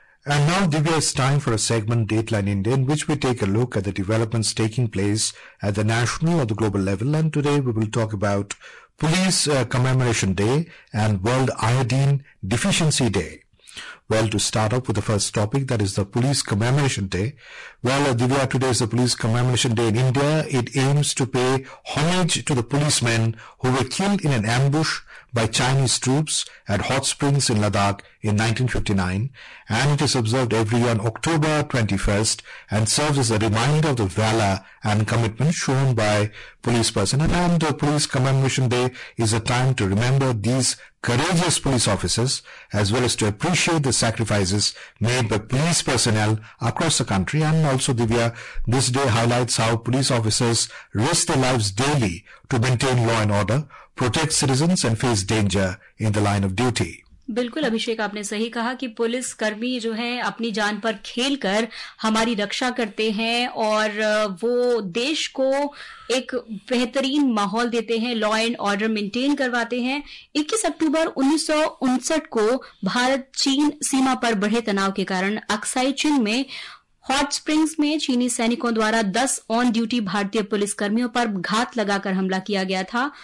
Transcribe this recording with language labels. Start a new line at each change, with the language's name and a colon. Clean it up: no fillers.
English: And now Divya, it's time for a segment Dateline India in which we take a look at the developments taking place at the national or the global level. And today we will talk about police commemoration day and world iodine deficiency day. Well, to start off with the first topic, that is the Police Commemoration Day. Well, Divya, today is the Police Commemoration Day in India. It aims to pay homage to the policemen who were killed in an ambush by Chinese troops at Hot Springs in Ladakh in 1959. And it is observed every year on October 21st and serves as a reminder of the valor and commitment shown by police personnel. And the Police Commemoration Day is a time to remember these courageous police officers as well as to appreciate the sacrifices made by police personnel across the country. And also, Divya, this day highlights how police officers risk their lives daily to maintain law and order, protect citizens and face danger in the line of duty.
Hindi: बिल्कुल अभिषेक, आपने सही कहा कि police कर्मी जो हैं अपनी जान पर खेलकर हमारी रक्षा करते हैं और वो देश को एक बेहतरीन माहौल देते हैं,
English: law and order maintain
Hindi: करवाते हैं। 21 अक्टूबर 1959 को भारत चीन सीमा पर बढ़े तनाव के कारण अक्साई चिन में हॉट स्प्रिंग्स में चीनी सैनिकों द्वारा 10 ऑन ड्यूटी भारतीय पुलिसकर्मियों पर घात लगाकर हमला किया गया था।